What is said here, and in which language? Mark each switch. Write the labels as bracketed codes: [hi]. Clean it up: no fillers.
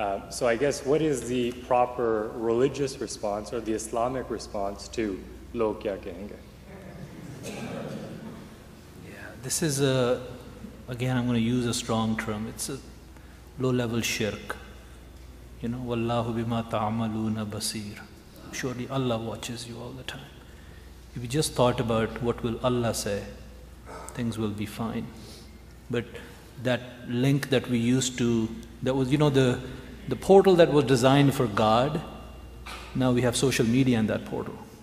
[en] So I guess, what is the proper religious response or the Islamic response to [ur] log kya kahenge? [en] This is a, again, I'm going to use a strong term, it's a low-level shirk. You know, [ar] وَاللَّهُ بِمَا تَعْمَلُونَ بَصِيرٌ. [en] Surely Allah watches you all the time. If you just thought about what will Allah say, things will be fine. But that link that we used to, that was, you know, the portal that was designed for God, now we have social media in that portal.